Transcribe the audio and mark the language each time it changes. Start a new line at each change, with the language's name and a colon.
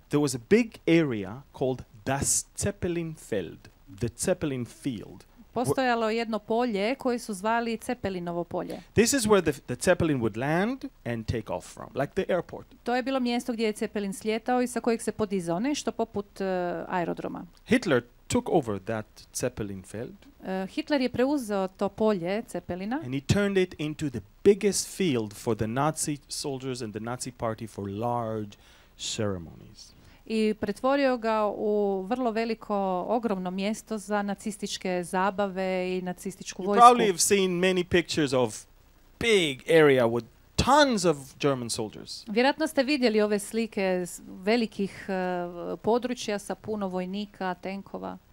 English: There was a big area called Das Zeppelinfeld. The Zeppelin field.
Croatian: Postojalo jedno polje koje su zvali Zeppelinovo polje.
English: This is where the Zeppelin would land and take off from, like the airport.
Croatian: To je bilo mjesto gdje je Zeppelin slijetao i sa kojeg se podizao, nešto poput aerodroma.
English: Hitler took over that Zeppelin field.
Croatian: Hitler je preuzeo to polje Zeppelina.
English: And he turned it into the biggest field for the Nazi soldiers and the Nazi party for large ceremonies.
Croatian: I pretvorio ga u vrlo veliko, ogromno mjesto za nacističke zabave i nacističku vojsku.
English: You probably have seen many pictures of big area with tons of German soldiers.
Croatian: Vjerojatno ste vidjeli ove slike velikih područja sa puno vojnika, tenkova.